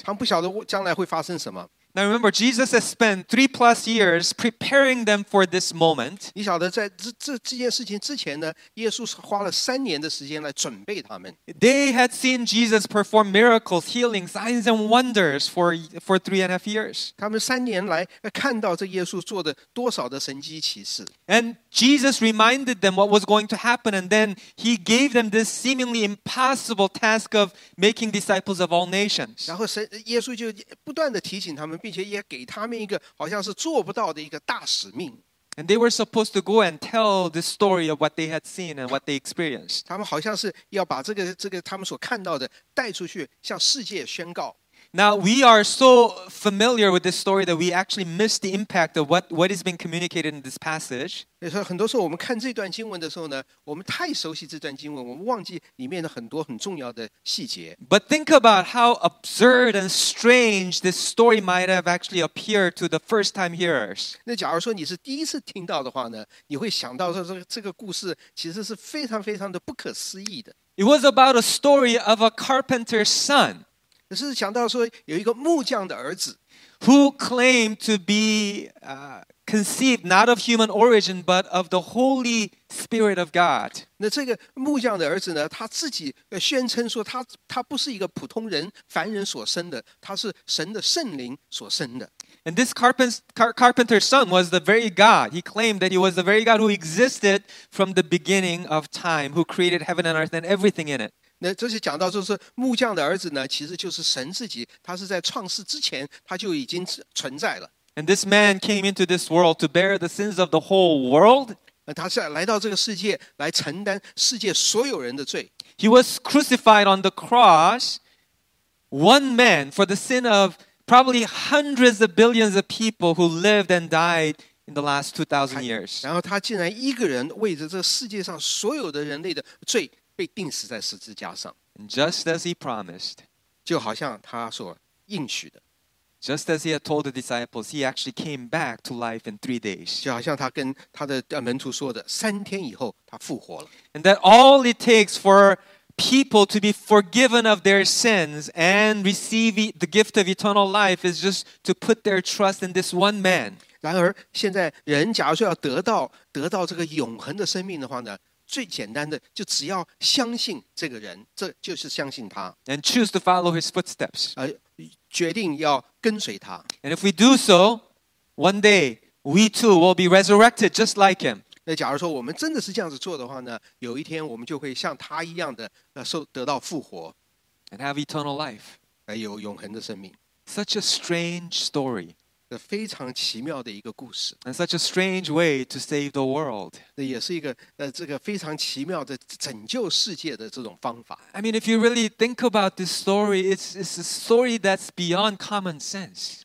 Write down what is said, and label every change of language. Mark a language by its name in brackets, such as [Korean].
[Chinese] 他们不晓得将来会发生什么。 [English] Now remember, Jesus has spent 3+ years preparing them for this moment. [Chinese] 你晓得在这件事情之前呢，耶稣是花了3年的时间来准备他们。 [English] They had seen Jesus perform miracles, healing, signs, and wonders for 3.5 years. [Chinese] 他们三年来看到这耶稣做的多少的神迹奇事。 [English] And Jesus reminded them what was going to happen, and then he gave them this seemingly impossible task of making disciples of all nations. [Chinese] 然后耶稣就不断地提醒他们。并且也给他们一个好像是做不到的一个大使命。 [English] And they were supposed to go and tell the story of what they had seen and what they experienced. [Chinese] 他们好像是要把这个他们所看到的带出去向世界宣告。 [English] Now we are so familiar with this story that we actually miss the impact of what is being communicated in this passage. [Chinese] 很多时候我们看这段经文的时候呢，我们太熟悉这段经文，我们忘记里面的很多很重要的细节。 [English] But think about how absurd and strange this story might have actually appeared to the first time hearers. [Chinese] 那假如说你是第一次听到的话呢，你会想到说这个故事其实是非常非常的不可思议的。 [English] It was about a story of a carpenter's son. [Chinese] 只是想到说有一个木匠的儿子 [English] who claimed to be conceived not of human origin but of the Holy Spirit of God. [Chinese] 那这个木匠的儿子呢，他自己宣称说他不是一个普通人凡人所生的，他是神的圣灵所生的。 [English] And this carpenter's son was the very God. He claimed that he was the very God who existed from the beginning of time, who created heaven and earth and everything in it. [Chinese] 那这些讲到就是木匠的儿子呢，其实就是神自己，他是在创世之前他就已经存在了。 [English] And this man came into this world to bear the sins of the whole world. [Chinese] 他是来到这个世界来承担世界所有人的罪。 [English] He was crucified on the cross, one man for the sin of probably hundreds of billions of people who lived and died in the last 2,000 years. [Chinese] 然后他竟然一个人为着这世界上所有的人类的罪。被钉死在十字架上 [English] just as he promised, [Chinese] 就好像他所应许的 [English] just as he had told the disciples, he actually came back to life in 3 days. [Chinese] 就好像他跟他的门徒说的，三天以后他复活了。 [English] And that all it takes for people to be forgiven of their sins and receive the gift of eternal life is just to put their trust in this one man. [Chinese] 然而现在人假如说要得到这个永恒的生命的话呢，最简单的就只要相信这个人，这就是相信他。 [English] And choose to follow his footsteps. [Chinese] 决定要跟随他。 [English] And if we do so, one day we too will be resurrected just like him. [Chinese] 那假如说我们真的是这样子做的话呢，有一天我们就会像他一样的得到复活。 [English] And have eternal life. [Chinese] 有永恒的生命。 [English] Such a strange story. [Chinese] 非常奇妙的一个故事。 [English] And such a strange way to save the world. [Chinese] 这也是一个这个非常奇妙的拯救世界的这种方法。 [English] I mean, if you really think about this story, it's a story that's beyond common sense.